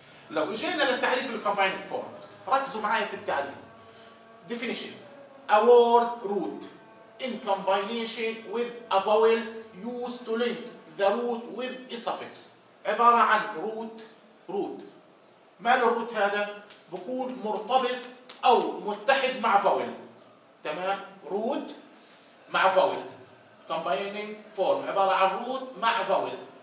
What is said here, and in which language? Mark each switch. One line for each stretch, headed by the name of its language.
Arabic: لو جينا للتعريف الكومبايننج فورم، ركزوا معايا في التعريف.
English: definition: a word root in combination with a vowel used to link the root with a suffix.
Arabic: عبارة عن root. ما له root هذا؟ بكون مرتبط أو متحد مع vowel، تمام؟ root مع vowel. combining form عبارة عن root مع vowel.